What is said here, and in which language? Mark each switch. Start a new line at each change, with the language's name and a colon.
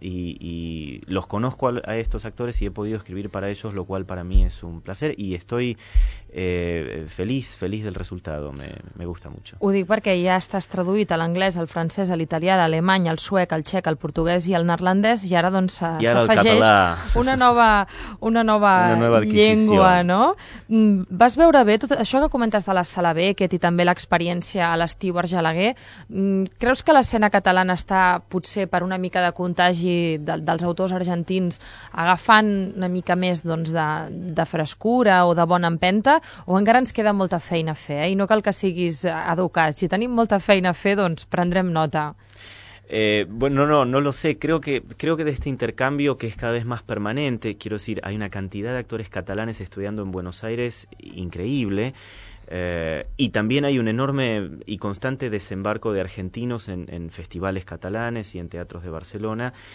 Spanish: Y los conozco a estos actores y he podido escribir para ellos, lo cual para mí es un placer y estoy feliç del resultado, me gusta mucho.
Catalan: Ho dic perquè ja estàs traduït a l'anglès, al francès, a l'italià, a l'alemany, al suec, al txec, al portuguès i al neerlandès, i ara doncs s'afegeix una nova llengua, no? Vas veure bé tot això que comentes de la sala Beckett i també l'experiència a l'estiu a Argelaguer? Creus que l'escena catalana està potser per una mica de contagi dels autors argentins agafant una mica més doncs, de frescura o de bona empenta, o encara ens queda molta feina a fer i no cal que siguis educat? Si tenim molta feina a fer, doncs prendrem nota.
Spanish: No lo sé. Creo que de este intercambio, que es cada vez más permanente, quiero decir, hay una cantidad de actores catalanes estudiando en Buenos Aires increíble. Y también hay un enorme y constante desembarco de argentinos en festivales catalanes y en teatros de Barcelona.